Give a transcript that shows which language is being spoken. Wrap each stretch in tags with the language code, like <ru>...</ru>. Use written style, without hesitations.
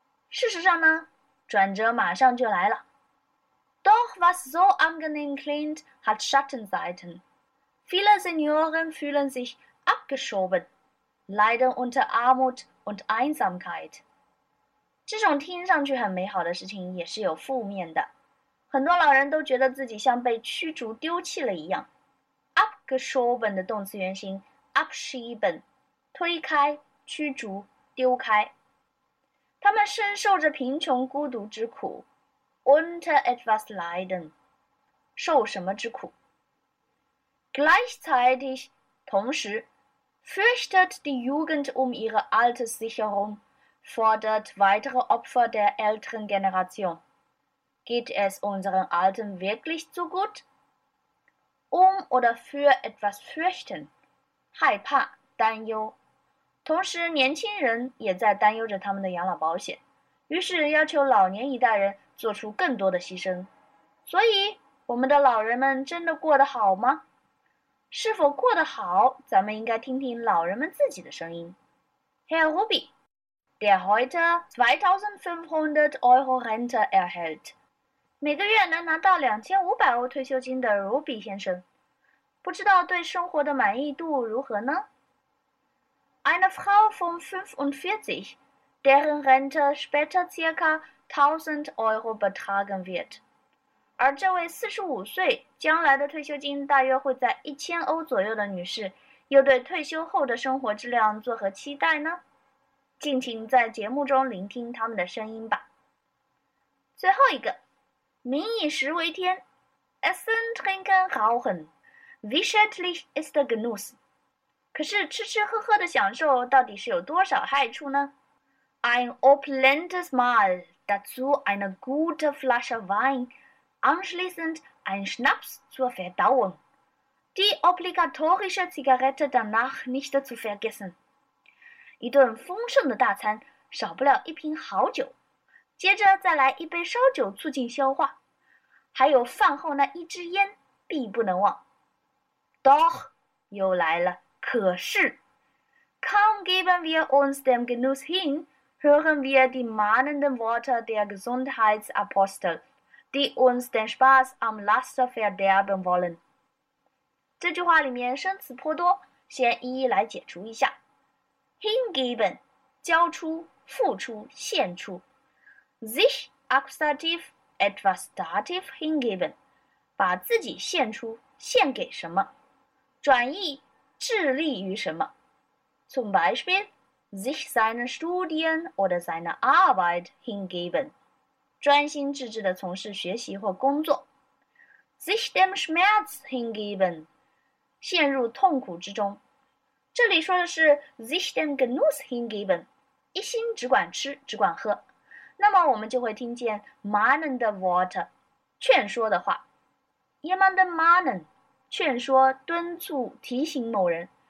<zh>事实上呢，转折马上就来了。</zh> <de>Doch was so angenehm klingt, hat Schattenseiten. Viele Senioren fühlen sich abgeschoben, leiden unter Armut und Einsamkeit.</de> <zh>这种听上去很美好的事情也是有负面的。很多老人都觉得自己像被驱逐丢弃了一样。 Abgeschoben 的动词原形 abschieben。推开、驱逐、丢开，他们深受着贫穷孤独之苦。</zh> <de>Unter etwas leiden，</de> <zh>受什么之苦</zh> <de>？Gleichzeitig，</de> <zh>同时</zh> <de>，fürchtet die Jugend ihre Alterssicherung， fordert weitere Opfer der älteren Generation。 Geht es unseren Alten wirklich so gut？ Oder für etwas fürchten，</de> <zh>害怕、担忧。同时年轻人也在担忧着他们的养老保险，于是要求老年一代人做出更多的牺牲。所以我们的老人们真的过得好吗？是否过得好，咱们应该听听老人们自己的声音。</zh> <de>Herr Rubi, der heute 2500 Euro Rente erhält.</de> <zh>每个月能拿到2500欧退休金的 Rubi 先生，不知道对生活的满意度如何呢？</zh> <de>Eine Frau von 45, deren Rente später ca. 1000 Euro betragen wird.</de> <zh>而这位45岁将来的退休金大约会在1000欧左右的女士，又对退休后的生活质量作何期待呢？敬请在节目中聆听他们的声音吧。最后一个，民以食为天</zh> <de>，Essen trinken rauchen, wirtschaftlich ist Genuss。</de> <zh>可是吃吃喝喝的享受到底是有多少害处呢</zh> <de>？Ein opulentes Mahl dazu eine gute Flasche Wein. Anschließend ein Schnaps zur Verdauung. Die obligatorische Zigarette danach nicht zu vergessen.</de> <zh>一顿丰盛的大餐，少不了一瓶好酒，接着再来一杯烧酒促进消化，还有饭后那一支烟必不能忘。 Doch, 又来了，可是。</zh> <de>Kaum geben wir uns dem Genuss hin, hören wir die mahnenden Worte der Gesundheitsapostel. Die uns den Spaß am Laster verderben wollen.</de> <zh>这句话里面生词颇多，先一一来解除一下。 Hingeben, 交出、付出、献出。</zh> <de>Sich Akkusativ etwas Dativ hingeben,</de> <zh>把自己献出、献给什么。转意、致力于什么。</zh> <de>Zum Beispiel, sich seinen Studien oder seiner Arbeit hingeben.</de> <zh>专心致志地从事学习或工作</zh> <de>，sich dem Schmerz hingeben，</de> <zh>陷入痛苦之中。这里说的是</zh> <de>sich dem Genuss hingeben，</de> <zh>一心只管吃，只管喝。那么我们就会听见</zh> <de>mahnende Worte，</de> <zh>劝说的话 ，</zh> <de>jemanden mahnen，</de> <zh>劝说、敦促、提醒某人。</zh>